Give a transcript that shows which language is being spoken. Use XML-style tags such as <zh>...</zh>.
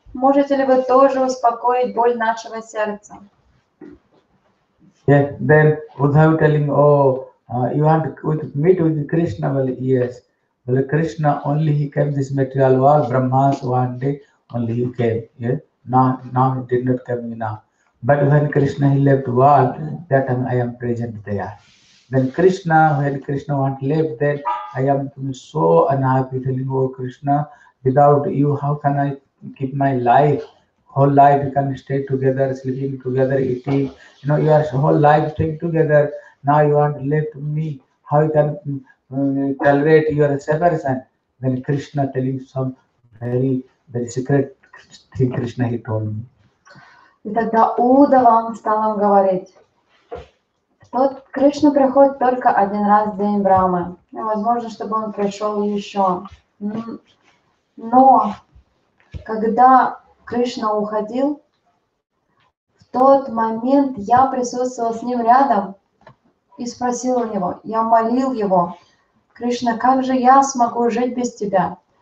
<ru>Можете ли вы тоже успокоить боль нашего сердца?</ru> <en>Yeah, then Uddhava telling, oh, you want to meet with Krishna? Well, yes. Well, Krishna only he came this material world, Brahma's one day only he came. Yeah? Now he did not come now. But when Krishna he left the world, that time I am present there. Then Krishna, when Krishna want left, then I am so unhappy telling, oh Krishna, without you, how can I keep my life? Whole life you can stay together, sleeping together, eating. You know, your whole life staying together. Now you want to live to me. How you can tolerate your separation? Then Krishna tell you some very, very secret thing Krishna he told me.</en> <ru>И тогда Удава стал им говорить, что Кришна приходит только один раз в день Брамы. И возможно, чтобы он пришел еще. Но когда Кришна уходил, в тот момент я присутствовала с ним рядом и спросила у него, я молил его, Кришна, как же я смогу жить без тебя?</ru>